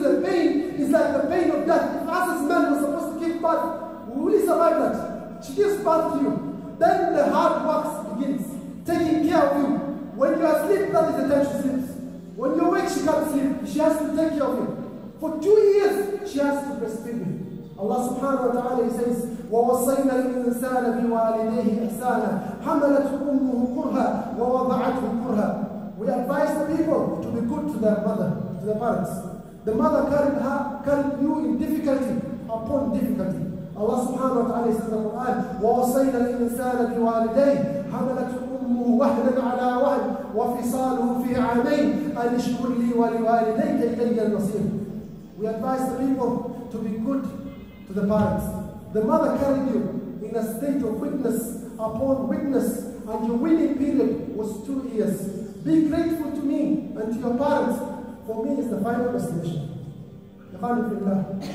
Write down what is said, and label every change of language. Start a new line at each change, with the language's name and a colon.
English: The pain is like the pain of death. If us as men were supposed to give birth, we will survive that. She gives birth to you. Then the hard work begins, taking care of you. When you are asleep, that is the time she sleeps. When you're awake, she can't sleep. She has to take care of you. For 2 years, she has to breastfeed you. Allah subhanahu wa ta'ala, he says,
Arabic: ووصينا الإنسان بوالديه إحسانا حملته أمه كرها ووضعته كرها.
English: We advise the people to be good to their mother, to their parents. The mother carried her, carried you in difficulty upon difficulty. Allah subhanahu wa ta'ala says in the Quran,
Arabic: ووصينا الإنسان بوالديه حملته أمه وهنا على وهن وفصاله في عامين أن اشكر لي ولوالديك إلي المصير.
English: We advise the people to be good to the parents. The mother carried you in a state of witness upon witness and your winning period was 2 years. Be grateful to me and to your parents. For me, it's the final destination. The final prayer.